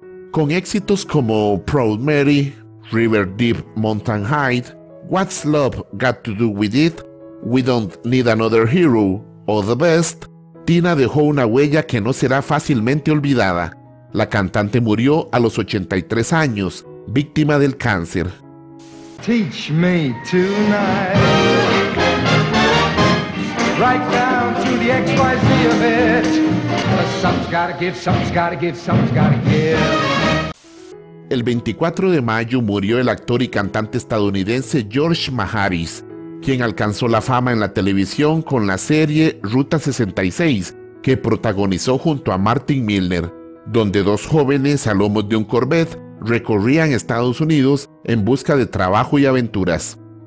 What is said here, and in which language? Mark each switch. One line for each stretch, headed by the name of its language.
Spanish: Con éxitos como Proud Mary, River Deep, Mountain High, What's Love Got to Do with It, We Don't Need Another Hero, o The Best, Tina dejó una huella que no será fácilmente olvidada. La cantante murió a los 83 años, víctima del cáncer.
English: Teach me tonight. Right down to the XYZ of it. Something's gotta give, something's gotta give, something's gotta give.
Spanish: El 24 de mayo murió el actor y cantante estadounidense George Maharis, quien alcanzó la fama en la televisión con la serie Ruta 66, que protagonizó junto a Martin Milner, donde dos jóvenes a lomos de un Corvette recorrían Estados Unidos en busca de trabajo y aventuras.